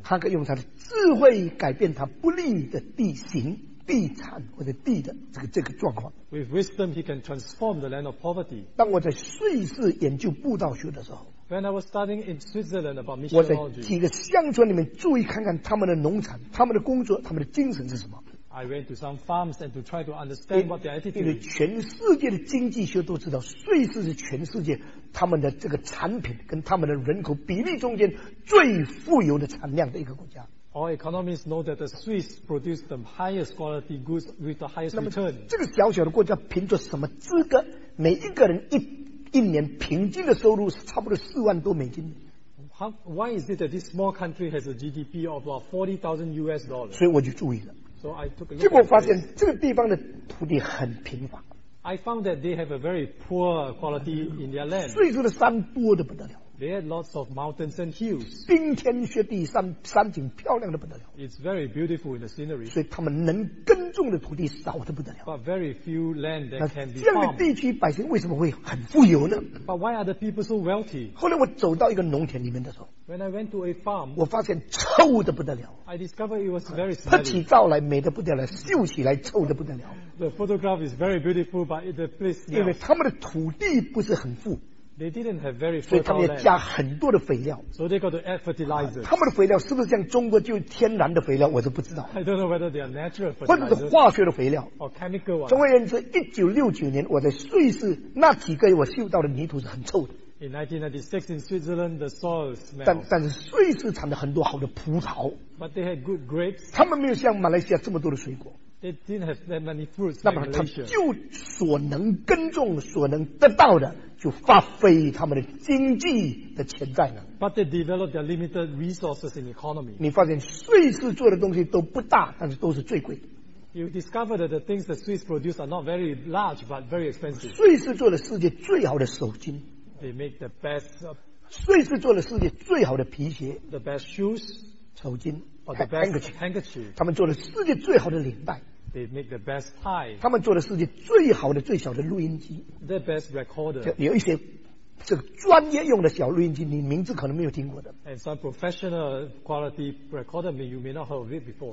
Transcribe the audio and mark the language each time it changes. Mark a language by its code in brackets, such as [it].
[zh] 他可以用他的智慧改变他不利的地形。地产或者地的这个状况。 [en] With wisdom, he can transform the land of poverty. [zh] 当我在瑞士研究布道学的时候 [en] ，When I was studying in Switzerland about missionology, [zh] 我在几个乡村里面注意看看他们的农产、他们的工作、他们的精神是什么。 [en] I went to some farms and to try to understand what their attitude is. [zh] 因为全世界的经济学都知道，瑞士是全世界他们的这个产品跟他们的人口比例中间最富有的产量的一个国家。 [en] All economists know that the Swiss produce the highest quality goods with the highest return. [zh] 这个小小的国家凭着什么资格？每一个人一年平均的收入是差不多$40,000。 [en] Why is it that this small country has a GDP of about $40,000? [zh] 所以我就注意了。 [en] So I took a look. [zh] 结果发现这个地方的土地很贫乏。 [en] I found that they have a very poor quality in their land. [zh] 瑞士的山多得不得了。 [en] They had lots of mountains and hills. [zh] 冰天雪地，山景漂亮的不得了。 [en] It's very beautiful in the scenery. [zh] 所以他们能耕种的土地少的不得了。 [en] But very few land that can be farmed. [zh] 这样的地区百姓为什么会很富有呢？ [en] But why are the people so wealthy? [zh] 后来我走到一个农田里面的时候， [en] When I went to a farm, [zh] 我发现臭的不得了。 [en] I discovered it was very smelly. [zh] 拍起照来美的不得了，秀起来臭的不得了。 [en] The photograph is very beautiful, but the place smells. [zh] 因为他们的土地不是很富。 [en] They didn't have very fertile [zh] 所以他们要加很多的肥料。 [en] So they got to add fertilizers. [zh] 他们的肥料是不是像中国就天然的肥料，我都不知道。 [en] I don't know whether they are natural fertilizers. [zh] 或者是化学的肥料。 [en] Or chemical ones. [zh] 总而言之， 1969年 我在瑞士那几个月我嗅到的泥土是很臭的。 [en] In 1996 in Switzerland, the soil smells. [zh] 但是瑞士产的很多好的葡萄。 [en] But they had good grapes. [zh] 他们没有像马来西亚这么多的水果。 [en] They didn't have that many fruits in Malaysia. [zh] 那么他们就所能耕种所能得到的， 就发挥他们的经济的潜在呢。 [en] But they developed their limited resources in economy. [zh] 你发现瑞士做的东西都不大， 但是都是最贵。 [en] You discover that the things that Swiss produce are not very large but very expensive. [zh] 瑞士做了世界最好的手巾。 [en] They make the best [zh] 瑞士做了世界最好的皮鞋。 [en] The best shoes [zh] 手巾 [en] or the best handkerchief. [zh] 他们做了世界最好的领带。 [en] They make the best tie. [zh] 他们做了世界最好的最小的录音机。 [en] The best recorder. [zh] 有一些这个专业用的小录音机，你名字可能没有听过的。 [en] And some professional quality recorder, you may not have heard it before.